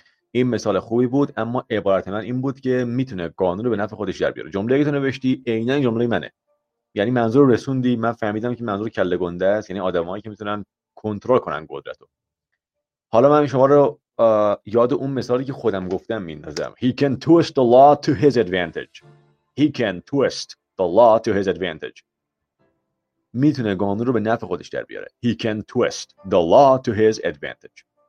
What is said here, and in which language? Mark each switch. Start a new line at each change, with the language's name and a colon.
Persian: این مثال خوبی بود، اما عبارت من این بود که میتونه قانون رو به نفع خودش در بیاره. جمله‌ای که تو نوشتی عینا جمله منه، یعنی منظور رسوندی، من فهمیدم که منظور کله گنده است، یعنی آدمایی که میتونن کنترل کنن قدرت رو. حالا من شما رو یاد اون مثالی که خودم گفتم میندازم.
English: He can twist the law to his advantage. He can twist the law to his advantage.
Persian: میتونه قانون رو به نفع خودش در بیاره.
English: He can twist the law to his advantage.